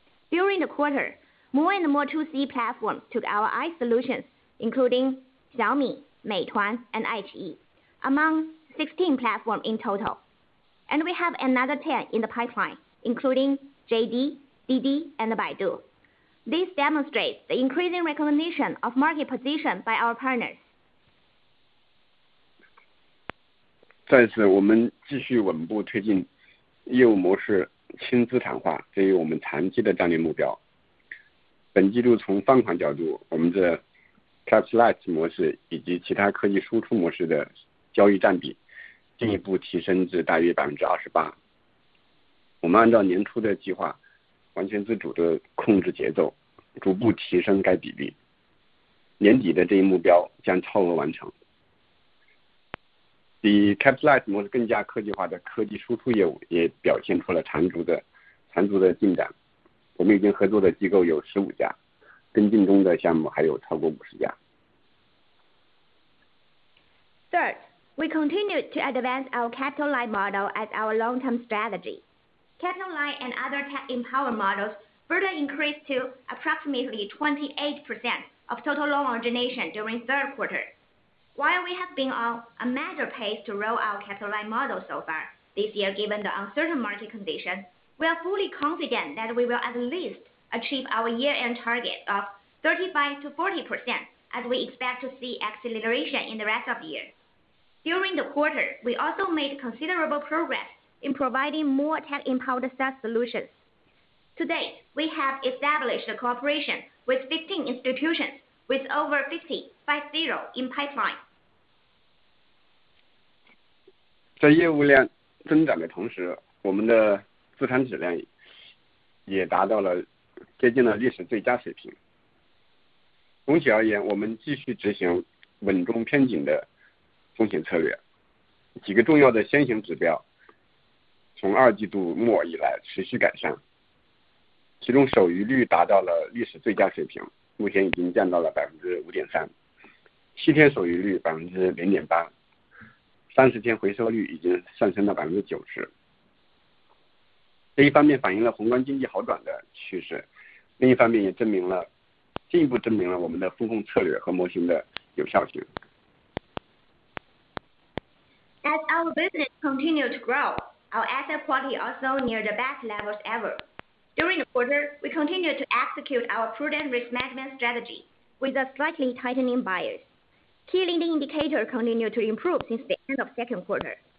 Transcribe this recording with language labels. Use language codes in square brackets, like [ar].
[en] During the quarter, more and more 2C platforms took our ICE solutions, including Xiaomi, Meituan, and iQIYI, among 16 platforms in total. And we have another 10 in the pipeline, including JD, DD, and Baidu. This demonstrates the increasing recognition of market position by our partners. [zh] 再次，我们继续稳步推进业务模式轻资产化，这是我们长期的战略目标。本季度从放款角度，我们的 Cash Light 模式以及其他科技输出模式的交易占比进一步提升至大约28%。我们按照年初的计划，完全自主的控制节奏，逐步提升该比例，年底的这一目标将超额完成。比 Cash Light 模式更加科技化的科技输出业务也表现出了长足的进展。我们已经合作的机构有15家，跟进中的项目还有超过50家。 [en] Third, we continue to advance our capital light model as our long-term strategy. Capital light and other tech-empowered models further increased to approximately 28% of total loan origination during third quarter. While we have been on a measured pace to roll out capital light model so far this year, given the uncertain market conditions, we are fully confident that we will at least achieve our year-end target of 35 to 40% as we expect to see acceleration in the rest of the year. During the quarter, we also made considerable progress in providing more tech-empowered SaaS solutions. To date, we have established a cooperation with 15 institutions with over 50 in pipeline. [zh] 在业务量增长的同时，我们的资产质量也达到了接近了历史最佳水平。总体而言，我们继续执行稳中偏紧的风险策略。几个重要的先行指标从二季度末以来持续改善，其中守余率达到了历史最佳水平，目前已经降到了5.3%，7天守余率0.8%，30天回收率已经上升到90%。这一方面反映了宏观经济好转的趋势，另一方面也证明了，进一步证明了我们的风控策略和模型的有效性。 [en] As our business continued to grow, our asset quality also near the best levels ever. During the quarter, we continued to execute our prudent risk management strategy with a slightly tightening bias. Key leading indicator continued to improve since the end of second quarter.